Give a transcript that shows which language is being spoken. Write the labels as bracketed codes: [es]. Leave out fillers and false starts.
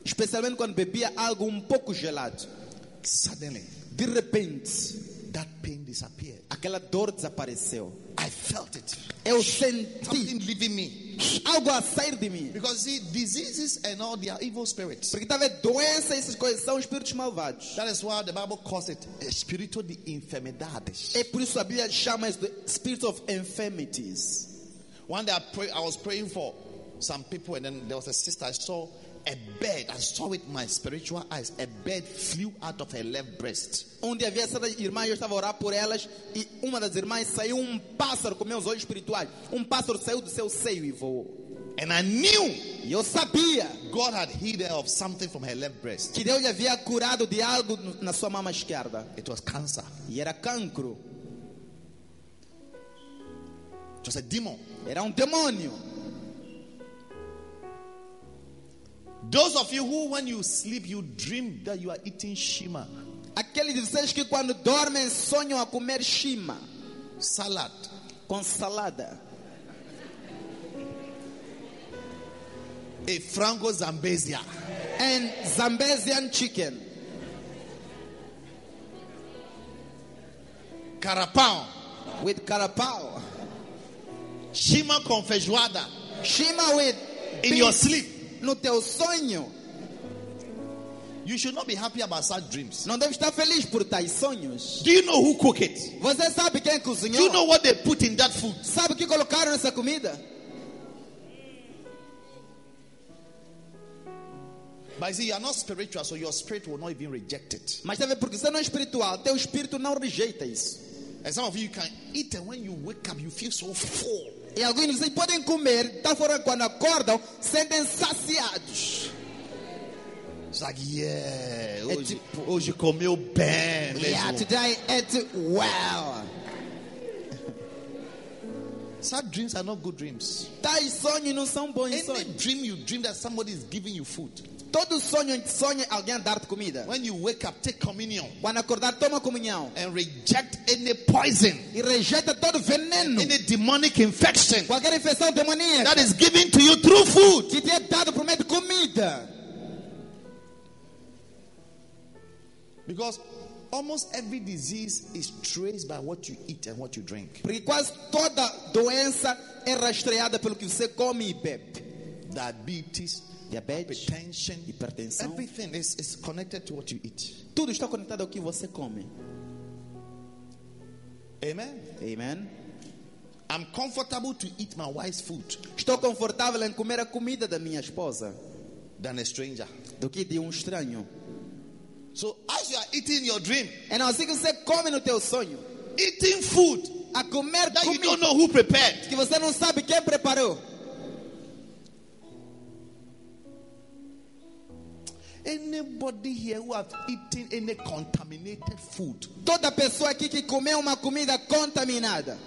[pt] Especialmente quando bebia algo pouco gelado. [en] Suddenly, [pt] de repente, [en] that pain disappeared. [pt] Aquela dor desapareceu. [en] I felt it. [pt] Eu senti [en] something leaving me. [pt] Algo a sair de mim. [en] Because see, diseases and all the evil spirits. [pt] Porque tá vendo doença e essas coisas são espíritos malvados. [en] That is why the Bible calls it [pt] espírito de enfermidades. É por isso a Bíblia chama isso de [en] spirit of infirmities. One day I was praying for some people and then there was a sister. I saw a bird. I saw with my spiritual eyes. A bird flew out of her left breast. [pt] Onde havia essa irmã, eu estava a orar por elas e uma das irmãs saiu um pássaro com meus olhos espirituais. Um pássaro saiu do seu seio e voou. [en] And I knew. [pt] E eu sabia. [en] God had healed her of something from her left breast. [pt] Que Deus lhe havia curado de algo na sua mama esquerda. [en] It was cancer. [pt] E era cancro. [en] It was a demon. [pt] Era demônio. [en] Those of you who, when you sleep, you dream that you are eating shima. [pt] Aqueles de vocês que quando dormem sonham a comer shima. [en] Salad. [pt] Com salada. A frango zambesia. [en] And Zambesian chicken. [pt] Carapau. [en] With carapau. [pt] Shima com feijoada. [en] Shima with in beef. Your sleep. [pt] No teu sonho. [en] You should not be happy about such dreams. [pt] Não deve estar feliz por tais sonhos. [en] Do you know who cook it? [pt] Você sabe quem cozinhou? [en] Do you know what they put in that food? [pt] Sabe o que colocaram nessa comida? [en] But see, you are not spiritual, so your spirit will not even reject it. [pt] Mas também porque você não é espiritual, teu espírito não rejeita isso. [en] And some of you can eat, and when you wake up, you feel so full. [pt] E alguns dizem, podem comer, tal forma quando acordam, sentem saciados. [en] It's like, yeah, [pt] hoje comeu bem. [en] Yeah, today I ate well. Sad dreams are not good dreams. [pt] Tais sonhos não são bons sonhos. [en] Any dream you dream that somebody is giving you food. [pt] Todo sonho alguém dar-te comida. [en] When you wake up, take communion. [pt] Quando acordar, toma comunhão. [en] And reject any poison. [pt] E rejeita todo veneno. [en] Any demonic infection. [pt] Qualquer infecção demoníaca. [en] That is given to you through food. [pt] Que te é dado por meio de comida. [en] Because almost every disease is traced by what you eat and what you drink. [pt] Porque quase toda doença é rastreada pelo que você come e bebe. [en] Diabetes, [pt] hipertensão, [en] everything is connected to what you eat. [pt] Tudo está conectado ao que você come. [en] Amen. [pt] Amen. [en] I'm comfortable to eat my wife's food. [pt] Estou confortável em comer a comida da minha esposa. [en] Than a stranger. [pt] Do que de estranho. [en] So as you are eating your dream, [pt] and assim que você come no teu sonho, [en] eating food, [pt] a comer [en] that you don't know who prepared, [pt] que você não sabe quem preparou. [en] Anybody here who have eaten any contaminated food? [pt] Toda pessoa aqui que comeu uma comida contaminada.